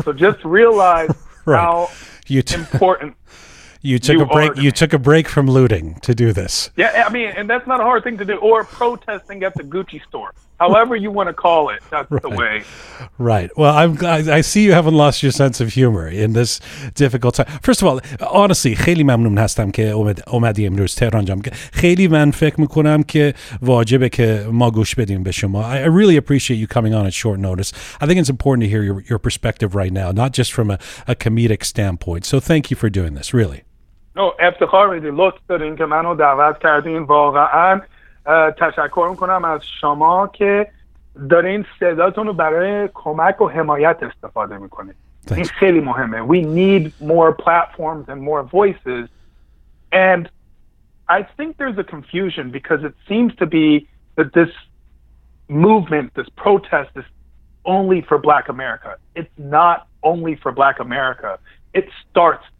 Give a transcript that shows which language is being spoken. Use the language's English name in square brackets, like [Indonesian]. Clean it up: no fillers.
[English] So just realize how important... You took a break from looting to do this. Yeah, I mean, and that's not a hard thing to do. Or protesting at the Gucci store. However you want to call it, that's the way. Right. Well, I see you haven't lost your sense of humor in this difficult time. First of all, honestly, [Persian] خیلی ممنون هستم که اومدی امروز تهران جام. خیلی من فکر میکنم که واجبه که ما گوش بدیم به شما. [English] I really appreciate you coming on at short notice. I think it's important to hear your perspective right now, not just from a comedic standpoint. So thank you for doing this, really. No, [Persian] افتخار میدی. لطف دارین که منو دعوت کردین. واقعا تشکر میکنم از شما که دارین صداتون رو برای کمک و حمایت استفاده میکنین. این خیلی مهمه. [English] We need more platforms and more voices. And I think there's a confusion because it seems to be that this movement, this protest is only for Black America. It's not only for Black America. It starts